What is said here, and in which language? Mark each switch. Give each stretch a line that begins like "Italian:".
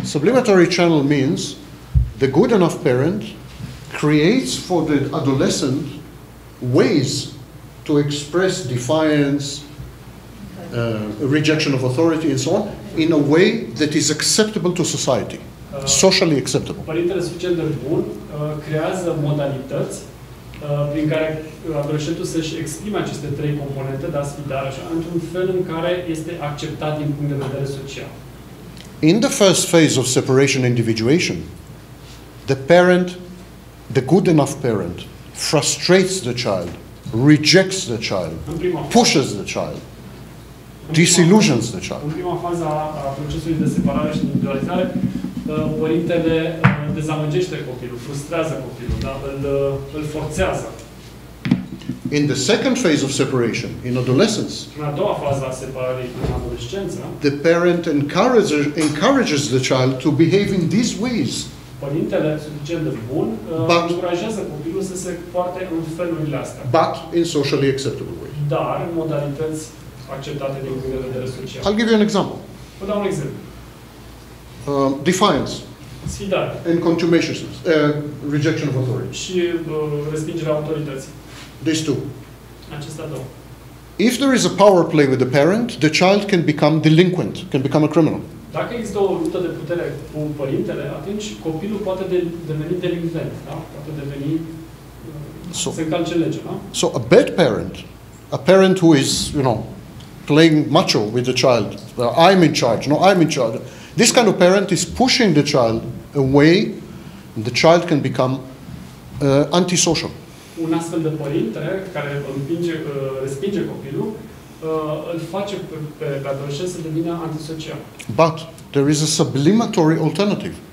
English: Sublimatory channel means the good enough parent creates for the adolescent ways to express defiance, rejection of authority and so on, in a way that is acceptable to society, socially acceptable.
Romanian: Părintele suficient de bun creează modalități prin care adolescentul să-și exprime aceste trei componente, dar sfidare așa, într-un fel în care este acceptat din punct de vedere social.
English: In the first phase of separation individuation, the parent, the good enough parent, frustrates the child, rejects the child, pushes the child, disillusions the child.
Romanian: În prima fază a procesului de separare și individualizare, părintele dezamăgește copilul, frustrează copilul, da? Îl forțează.
English: In the second phase of separation, in adolescence,
Romanian: în a doua fază a separării, în adolescență,
English: the parent encourages the child to behave in these ways.
Romanian: Părintele suficient de bun încurajează copilul să se poarte în felurile astea.
English: But in socially acceptable ways.
Romanian: Dar în modalități acceptate din punct de vedere social.
English: I'll give you an example.
Romanian: Vă dau un exemplu.
English: Defiance.
Romanian: Sfidare.
English: And contumaciousness. Rejection of authority.
Romanian: Și respingerea autorității.
English: These two.
Romanian: Acestea două.
English: If there is a power play with the parent, the child can become delinquent, can become a criminal.
Romanian: Dacă există o luptă de putere cu părintele, atunci copilul poate deveni delinquent, da? Poate deveni se încalce legea, da?
English: So a bad parent, a parent who is, you know, playing macho with the child, I'm in charge. This kind of parent is pushing the child away, and the child can become antisocial.
Romanian: Un astfel de părinte care respinge copilul îl face pe adolescent să devină antisocial.
English: But there is a sublimatory alternative.